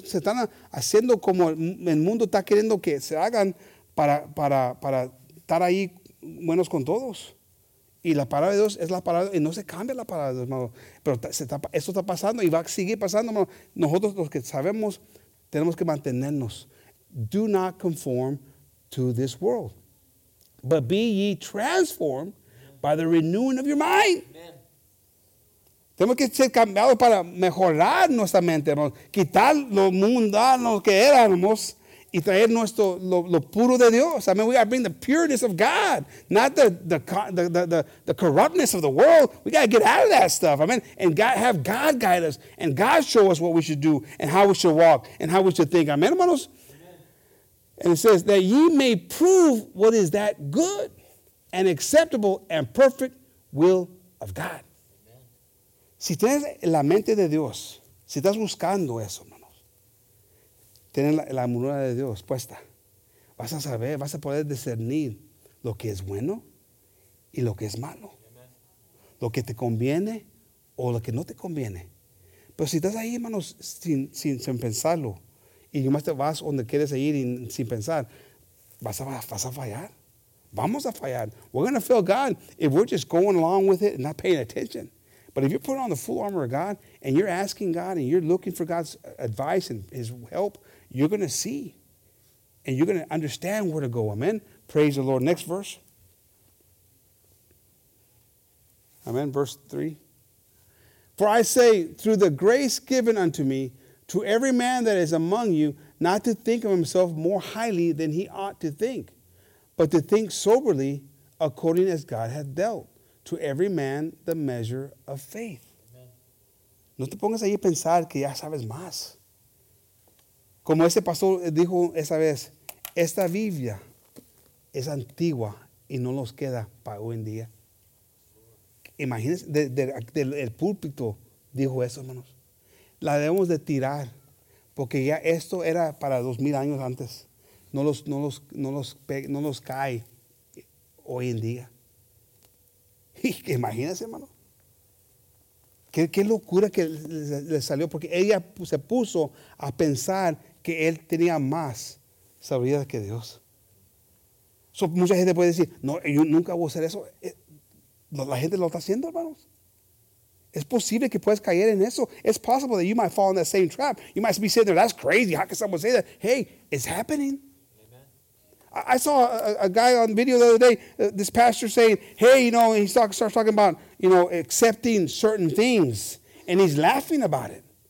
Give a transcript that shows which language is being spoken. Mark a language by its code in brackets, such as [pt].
[es] Se están haciendo como el mundo está queriendo que se hagan para estar ahí buenos con todos. Y la palabra de Dios es la palabra, y no se cambia la palabra de Dios, hermano. Pero esto está pasando y va a seguir pasando, hermano. Nosotros los que sabemos, tenemos que mantenernos. [en] Do not conform to this world, but be ye transformed by the renewing of your mind. [es] Tenemos que ser cambiados para mejorar nuestra mente, hermanos. Quitar lo mundano que éramos y traer nuestro lo puro de Dios. [en] I mean, we got to bring the pureness of God, not the corruptness of the world. We got to get out of that stuff. I mean, and God, have God guide us, and God show us what we should do and how we should walk and how we should think. Amen, hermanos? And it says that ye may prove what is that good and acceptable and perfect will of God. [es] Si tienes la mente de Dios, si estás buscando eso, hermanos, tienes la armadura de Dios puesta, vas a saber, vas a poder discernir lo que es bueno y lo que es malo. Lo que te conviene o lo que no te conviene. Pero si estás ahí, hermanos, sin pensarlo, y nomás te vas donde quieres ir y sin pensar, vas a fallar. Vamos a fallar. [en] We're going to fail God if we're just going along with it and not paying attention. But if you put on the full armor of God and you're asking God and you're looking for God's advice and his help, you're going to see and you're going to understand where to go. Amen. Praise the Lord. Next verse. Amen. Verse 3. For I say, through the grace given unto me, to every man that is among you, not to think of himself more highly than he ought to think, but to think soberly according as God hath dealt to every man the measure of faith. Amen. [es] No te pongas ahí a pensar que ya sabes más. Como ese pastor dijo esa vez, esta Biblia es antigua y no nos queda para hoy en día. Imagínense, el púlpito dijo eso, hermanos. La debemos de tirar, porque ya esto era para 2,000 años antes. No los cae hoy en día. Imagínense, hermano. Qué locura que le salió. Porque ella se puso a pensar que él tenía más sabiduría que Dios. So, mucha gente puede decir, no, yo nunca voy a hacer eso. La gente lo está haciendo, hermanos. Es posible que puedas caer en eso. [en] It's possible that you might fall in that same trap. You might be sitting there, that's crazy. How can someone say that? Hey, it's happening. I saw a guy on video the other day, this pastor saying, hey, you know, and he starts talking about, you know, accepting certain things, and he's laughing about it.